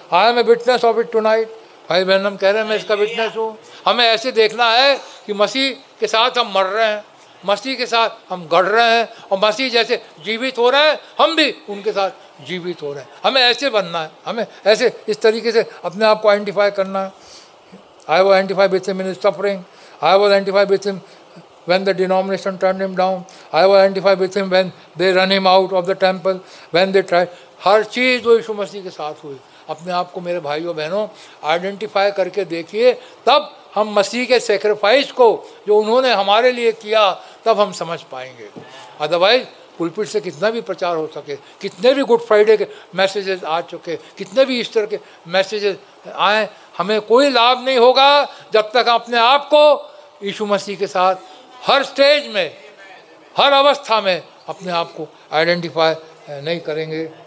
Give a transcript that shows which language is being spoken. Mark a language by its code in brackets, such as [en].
[en] I am a witness of it tonight, [hi] भाई बहन हम कह रहे हैं मैं इसका विटनेस हूँ। हमें ऐसे देखना है कि मसीह के साथ हम मर रहे हैं, मसीह के साथ हम गढ़ रहे हैं, और मसीह जैसे जीवित हो रहे हैं हम भी उनके साथ जीवित हो रहे हैं। हमें ऐसे बनना है, हमें ऐसे इस तरीके से अपने आप को आइडेंटिफाई करना है। [en] I was identify with him in suffering, I was identify with him when the denomination turned him down, I was identified with him when they run him out of the temple, when they tried. [hi] हर चीज़ जो यीशु मसीह के साथ हुई, अपने आप को मेरे भाइयों बहनों आइडेंटिफाई करके देखिए, तब हम मसीह के सेक्रीफाइस को जो उन्होंने हमारे लिए किया तब हम समझ पाएंगे। अदरवाइज पुलपिट से कितना भी प्रचार हो सके, कितने भी गुड फ्राइडे के मैसेजेस आ चुके, कितने भी ईस्टर के मैसेजेस आए, हमें कोई लाभ नहीं होगा जब तक अपने आप को यीशु मसीह के साथ हर स्टेज में, हर अवस्था में अपने आप को आइडेंटिफाई नहीं करेंगे।